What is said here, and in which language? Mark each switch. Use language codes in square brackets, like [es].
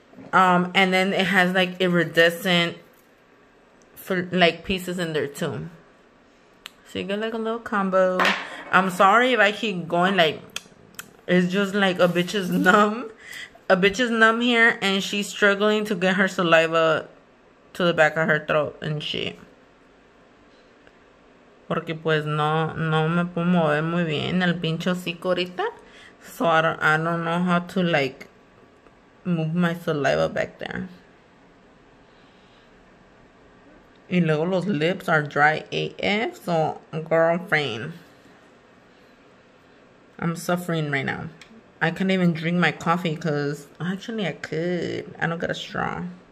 [en] And then it has like iridescent for like pieces in there too. So you get like a little combo. I'm sorry if I keep going like it's just like a bitch is numb. A bitch is numb here and she's struggling to get her saliva to the back of her throat and shit. [es] Porque pues no me puedo mover muy bien el pincho hocico ahorita. [en] So I don't know how to like move my saliva back there. [es] Y luego los [en] lips are dry AF, so girlfriend. I'm suffering right now. I can't even drink my coffee because actually I could. I don't get a straw.